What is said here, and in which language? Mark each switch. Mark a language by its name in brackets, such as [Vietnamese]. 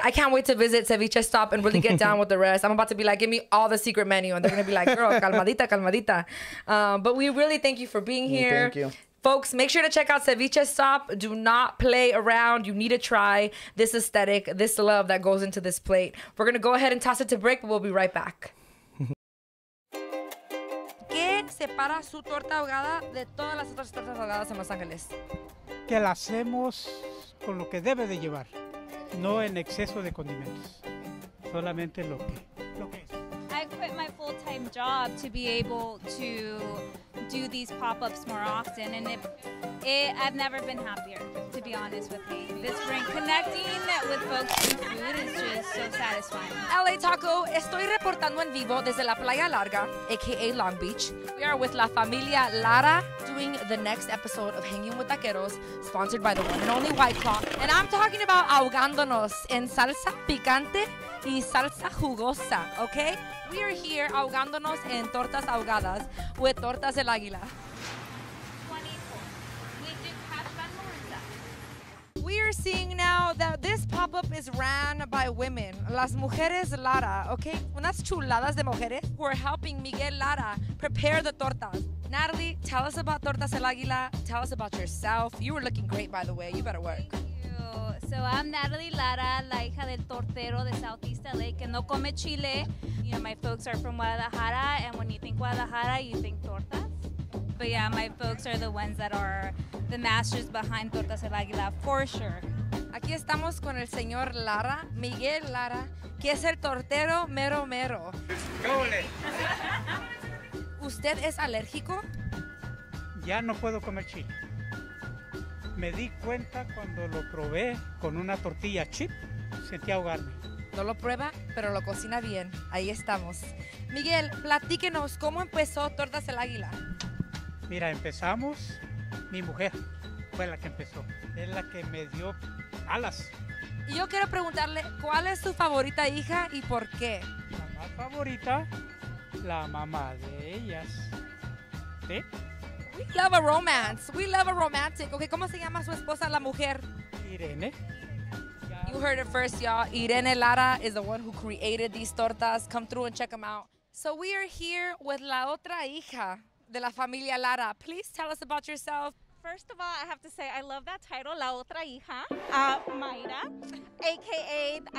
[English] I can't wait to visit Ceviche Stop and really get down with the rest. I'm about to be like, give me all the secret menu, and they're gonna be like, girl, calmadita. But we really thank you for being here. Thank you, folks. Make sure to check out Ceviche Stop. Do not play around. You need to try this aesthetic, this love that goes into this plate. We're gonna go ahead and toss it to break, but we'll be right back. [Spanish] ¿Qué separa su torta ahogada de todas las otras tortas ahogadas en Los Ángeles? Que la hacemos con lo que debe de llevar. No en exceso de condimentos, solamente lo que es. [English] I quit my full-time job to be able to do these pop-ups more often, and I've never been happier, to be honest with you. This spring, connecting with folks in food is just so satisfying. [Spanish] LA Taco, estoy reportando en vivo desde la Playa Larga, aka Long Beach. [English] We are with La Familia Lara, doing the next episode of Hanging with Taqueros, sponsored by the one and only White Claw. And I'm talking about [Spanish] ahogándonos en salsa picante y salsa jugosa, okay? [English] We are here [Spanish] ahogándonos en tortas ahogadas [English] with Tortas del Águila. We are seeing now that this pop-up is ran by women, Las Mujeres Lara, okay? [Spanish] Unas chuladas de mujeres [English] who are helping Miguel Lara prepare the tortas. Natalie, tell us about Tortas El Águila. Tell us about yourself. You were looking great, by the way. You better work. So I'm [Spanish] Natalie Lara, la hija del tortero de Southeast LA, que no come chile. [English] You know, my folks are from Guadalajara, and when you think Guadalajara, you think tortas. But yeah, my folks are the ones that are the masters behind Tortas El Águila, for sure. [Spanish] Aquí estamos con el señor Lara, Miguel Lara, que es el tortero mero mero. ¿Usted es alérgico? Ya no puedo comer chile. Me di cuenta cuando lo probé con una tortilla chip, sentí ahogarme. No lo prueba, pero lo cocina bien. Ahí estamos. Miguel, platíquenos, ¿cómo empezó Tortas El Águila? Mira, empezamos, mi mujer fue la que empezó. Es la que me dio alas. Y yo quiero preguntarle, ¿cuál es su favorita hija y por qué? La más favorita, la mamá de ellas. ¿Sí? [English] We love a romance. We love a romantic. [Spanish] Okay, ¿cómo se llama su esposa, la mujer? Irene. [English] You heard it first, y'all. Irene Lara is the one who created these tortas. Come through and check them out. So we are here with [Spanish] la otra hija de la familia Lara. [English] Please tell us about yourself. First of all, I have to say, I love that title, La Otra Hija, Mayra, a.k.a.